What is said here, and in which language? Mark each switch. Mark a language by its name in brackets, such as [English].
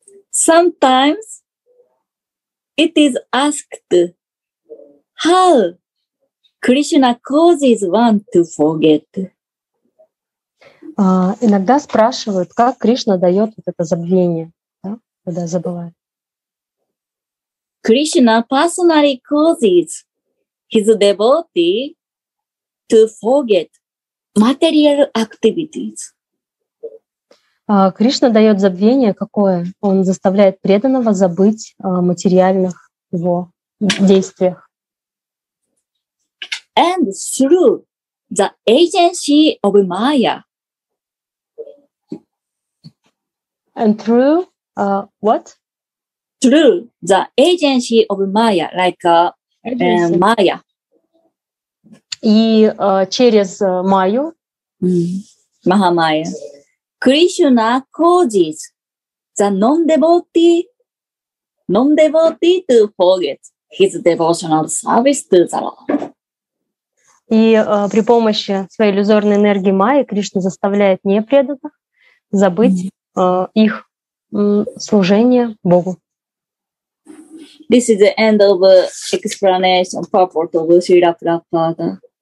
[English] Sometimes it is asked how Krishna causes one to forget. [Russian] Иногда спрашивают, как Кришна дает вот это забвение, да? Когда забывает. [English] Krishna personally causes his devotee to forget material activities. [Russian] Кришна дает забвение какое? Он заставляет преданного забыть о материальных его действиях. [English] And through the agency of Maya. And through what? Through the agency of Maya, like Maya. [Russian] И через Майю, [English] Махамайя, Кришна causes the non-devotee to forget his devotional service to the Lord. [Russian] И при помощи своей иллюзорной энергии Майи Кришна заставляет непреданных забыть их служение Богу. [English] This is the end of explanation purport of Srila Prabhupada.